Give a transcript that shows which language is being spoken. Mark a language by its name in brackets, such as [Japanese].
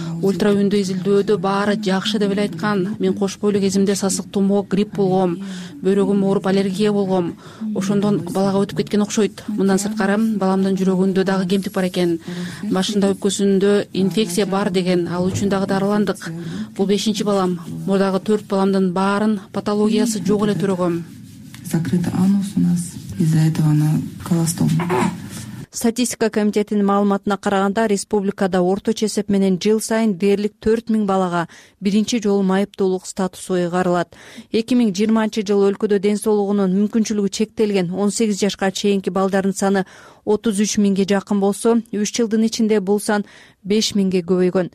[Kyrgyz] Ультра үндү изилдөөдө баары жакшы деп эле айткан. Мен кошпой эле кезимде сасык тумоо, грипп болгом, бөйрөгүм ооруп аллергия болгом. Ошондон балага өтүп кеткен окшойт. Мындан сырткары баламдын жүрөгүндө дагы кемтик бар экен. Башында өпкөсүндө инфекция бар деген. Ал үчүн дагы дарыландык. Бул 5-чи балам. Мурдагы 4 баламдын баарын патологиясы жок эле төрөгөм. [Russian] Закрыт анус у нас. Из-за этого она колостом. [Kyrgyz] Статистика комитетинин маалыматына караганда, республикада орточо эсеп менен жыл сайын дээрлик 4000 балага биринчи жолу майыптуулук статусу ыйгарылат. 2020 жылы өлкөдө ден соолугунун мүмкүнчүлүгү чектелген 18 жашка чейинки балдардын саны 33000 жакын болсо, 3 жылдын ичинде бул сан 5000 көбөйгөн.